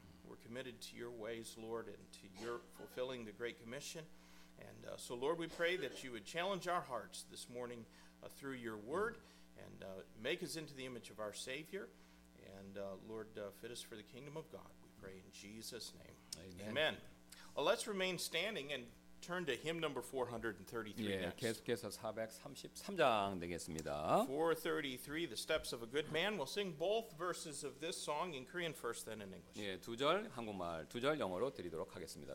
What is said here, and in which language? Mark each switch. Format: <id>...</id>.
<en>We're committed to your ways, Lord, and to your fulfilling the Great Commission. And so, Lord, we pray that you would challenge our hearts this morning through your word and make us into the image of our Savior. And Lord, fit us for the kingdom of God. We pray in Jesus' name. Amen. Well, let's remain standing and Turn to hymn number 433 next.</en> <ko>예, 계속해서 433장 되겠습니다.</ko> <en>433, The Steps of a Good Man. We'll sing both verses of this song in Korean first, then in English.</en> <ko>예, 두 절 한국말, 두 절 영어로 드리도록 하겠습니다.</ko>